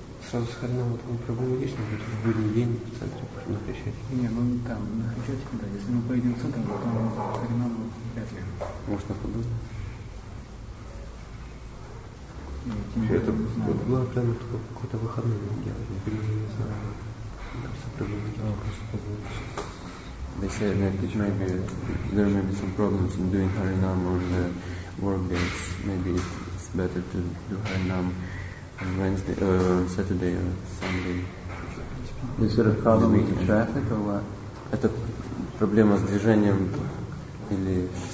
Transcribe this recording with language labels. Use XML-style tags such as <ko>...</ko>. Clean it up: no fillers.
<ru>Сразу с Харинам, там проблемы есть, но в будний день в центре на Хрещатике. Не, ну там, на Хрещатике, да. Если мы поедем в центр, то Харинам вряд ли. Может, на ходу? Это было прямо такое какое-то выходное делать. Я не знаю.</ru> <en>They say that it may be, there may be some problems in doing Harinam on the work days. Maybe it's better to do Harinam on Wednesday, Saturday or Sunday. Is it a problem with the traffic or what?</en> <ru>Это проблема с движением или</ru>